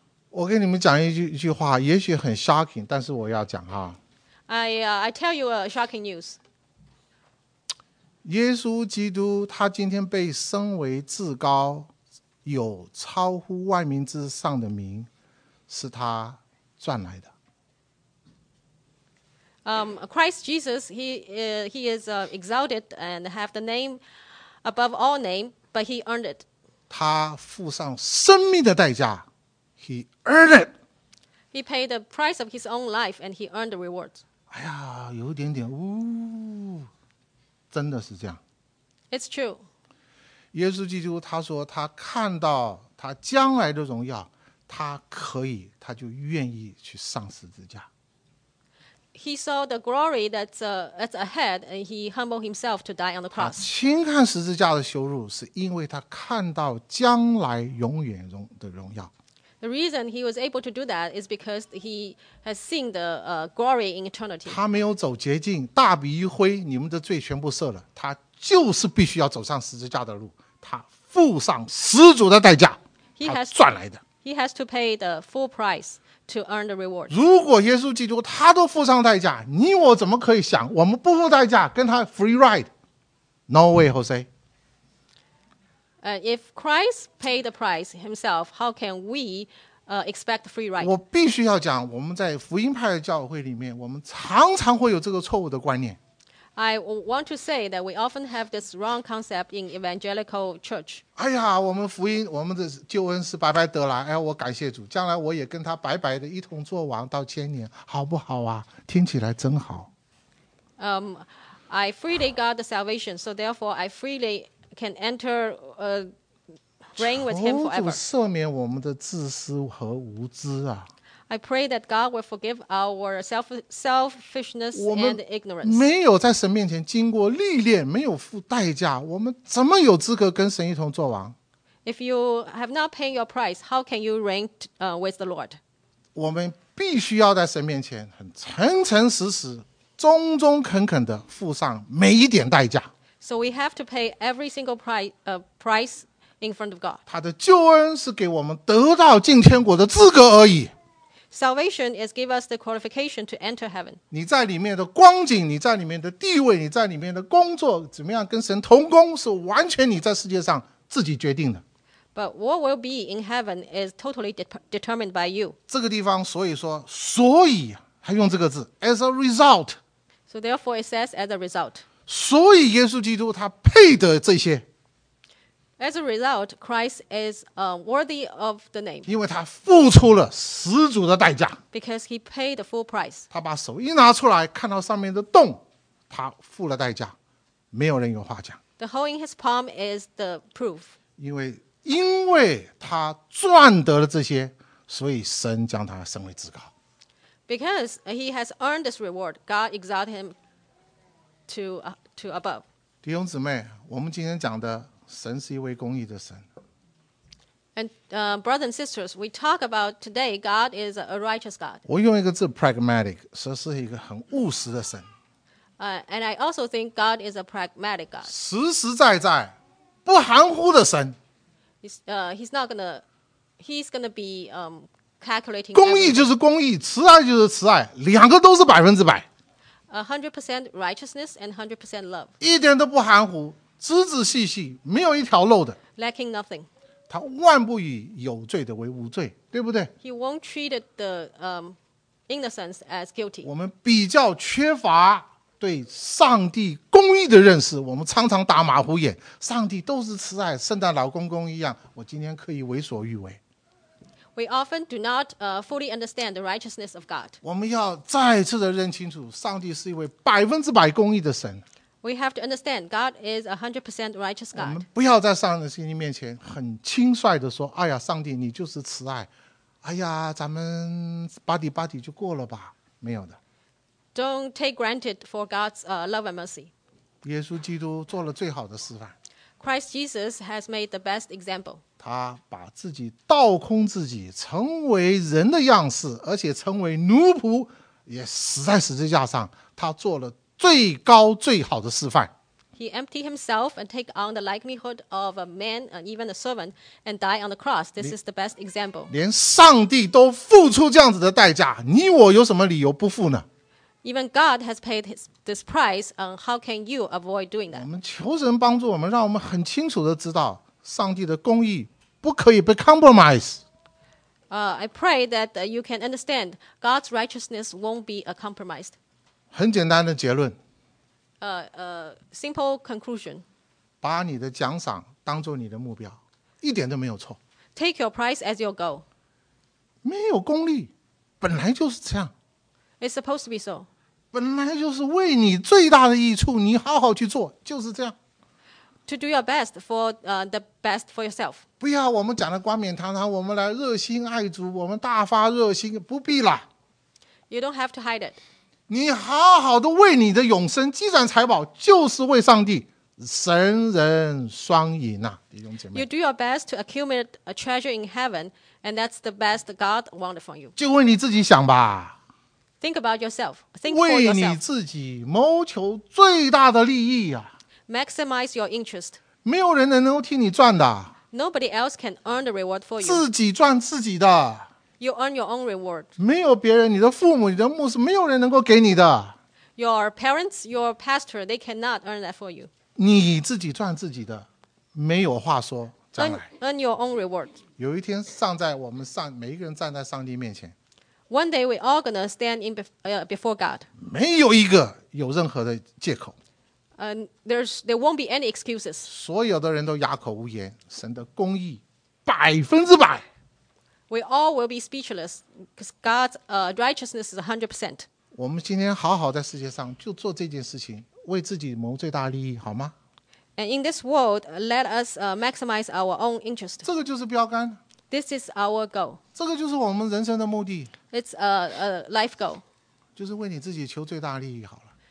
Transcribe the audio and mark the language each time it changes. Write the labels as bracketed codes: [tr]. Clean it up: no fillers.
[zh] 我给你们讲一句话，也许很 shocking， 但是我要讲哈。 [en] I tell you a shocking news. [zh] 耶稣基督他今天被升为至高，有超乎万民之上的名，是他赚来的。 [en] Christ Jesus, he is exalted and have the name above all name, but he earned it. [zh] 他付上生命的代价， [en] he earned it. He paid the price of his own life and he earned the rewards. [zh] 哎呀，有一点点，呜，真的是这样。 [en] It's true. [zh] 耶稣基督他说他看到他将来的荣耀，他可以，他就愿意去上十字架。 [en] He saw the glory that's ahead, and he humbled himself to die on the cross. [zh] 他轻看十字架的羞辱，是因为他看到将来永远的荣耀。 [en] The reason he was able to do that is because he has seen the glory in eternity. [zh] 他没有走捷径，大笔一挥，你们的罪全部赦了。他就是必须要走上十字架的路，他付上十足的代价，他赚来的。 [en] He has to pay the full price. To earn the reward. [zh] 如果耶稣基督他都付上代价，你我怎么可以想我们不付代价跟他 [en] free ride? No way, Jose. If Christ paid the price himself, how can we expect free ride? [zh] 我必须要讲，我们在福音派的教会里面，我们常常会有这个错误的观念。 [en] I want to say that we often have this wrong concept in evangelical church. [zh] 哎呀，我们福音，我们的救恩是白白得来。哎呀，我感谢主，将来我也跟他白白的一同作王到千年，好不好啊？听起来真好。 [en] I freely got the salvation, so therefore I freely can enter reign with him forever. [zh] 求主赦免我们的自私和无知啊。 [en] I pray that God will forgive our selfishness and ignorance. [zh] 我们没有在神面前经过历练，没有付代价，我们怎么有资格跟神一同作王？ [en] If you have not paid your price, how can you reign with the Lord? [zh] 我们必须要在神面前很诚诚实实、忠忠恳恳地付上每一点代价。 [en] So we have to pay every single price in front of God. [zh] 他的救恩是给我们得到进天国的资格而已。 [en] Salvation is give us the qualification to enter heaven. [zh] 你在里面的光景，你在里面的地位，你在里面的工作，怎么样跟神同工，是完全你在世界上自己决定的。 [en] But what will be in heaven is totally determined by you. [zh] 这个地方所以说，所以还用这个字 ， [en] as a result. So therefore, it says as a result. [zh] 所以耶稣基督他配得这些。 [en] As a result, Christ is worthy of the name. [zh] 因为他付出了十足的代价。 [en] Because he paid the full price. [zh] 他把手一拿出来，看到上面的洞，他付了代价，没有人有话讲。 [en] The hole in his palm is the proof. [zh] 因为他赚得了这些，所以神将他升为至高。 [en] Because he has earned this reward, God exalted him to above. [zh] 弟兄姊妹，我们今天讲的。神是一位公义的神。 [en] And brothers and sisters, we talk about today, God is a righteous God. [zh] 我用一个字 pragmatic, 说是一个很务实的神。 [en] And I also think God is a pragmatic God. [zh] 实实在在，不含糊的神。 [en] He's gonna be calculating. [zh] 公义就是公义，慈爱就是慈爱，两个都是百分之百。 [en] 100% righteousness and 100% love. [zh] 一点都不含糊。仔仔细细，没有一条漏的。 [en] Lacking nothing. [zh] 他万不以有罪的为无罪，对不对 [en] ？He won't treat the innocent as guilty. [zh] 我们比较缺乏对上帝公义的认识，我们常常打马虎眼。上帝都是慈爱，圣诞老公公一样，我今天可以为所欲为。 [en] We often do not fully understand the righteousness of God. [zh] 我们要再次的认清楚，上帝是一位百分之百公义的神。 [en] We have to understand God is a 100% righteous God. [zh] 我们不要在上帝心里面前很轻率地说，哎呀，上帝你就是慈爱，哎呀，咱们 [en] buddy buddy [zh] 就过了吧，没有的。 [en] Don't take granted for God's love and mercy. [zh] 耶稣基督做了最好的示范。 [en] Christ Jesus has made the best example. [zh] 他把自己倒空自己，成为人的样式，而且成为奴仆，也死在十字架上，他做了最高最好的示范。 [en] He emptied himself and take on the likelihood of a man, even a servant, and die on the cross. This is the best example. [zh] 连上帝都付出这样子的代价，你我有什么理由不付呢 [en] ？Even God has paid this price. How can you avoid doing that? [zh] 我们求神帮助我们，让我们很清楚的知道，上帝的公义不可以被 compromise。 [en] I pray that you can understand God's righteousness won't be compromised. [zh] 很简单的结论。 [en] Simple conclusion. [zh] 把你的奖赏当做你的目标，一点都没有错。 [en] Take your prize as your goal. [zh] 没有功利，本来就是这样。 [en] It's supposed to be so. [zh] 本来就是为你最大的益处，你好好去做，就是这样。 [en] To do your best for the best for yourself. [zh] 不要我们讲的冠冕堂皇，我们来热心爱主，我们大发热心，不必了。 [en] You don't have to hide it. [zh] 你好好的为你的永生积攒财宝，就是为上帝，神人双赢啊，弟兄姐妹。 [en] You do your best to accumulate a treasure in heaven, and that's the best God wanted for you. [zh] 就为你自己想吧。 [en] Think about yourself. Think for yourself. [zh] 为你自己谋求最大的利益啊。 [en] Maximize your interest. [zh] 没有人能够替你赚的。 [en] Nobody else can earn the reward for you. [zh] 自己赚自己的。 [en] You earn your own reward. [zh] 没有别人，你的父母，你的牧师，没有人能够给你的。 [en] Your parents, your pastor, they cannot earn that for you. [zh] 你自己赚自己的，没有话说，将来。 [en] Earn your own reward. [zh] 有一天上在我们上，每一个人站在上帝面前。 [en] One day we all gonna stand in before God. [zh] 没有一个有任何的借口。 [en] there won't be any excuses. [zh] 所有的人都哑口无言，神的公义百分之百。 [en] We all will be speechless because God's righteousness is 100%. [zh] 我们今天好好在世界上就做这件事情，为自己谋最大利益，好吗？ [en] And in this world, let us maximize our own interest. [zh] 这个就是标杆。 [en] This is our goal. [zh] 这个就是我们人生的目的。 [en] It's a life goal. [zh] 就是为你自己求最大利益好了。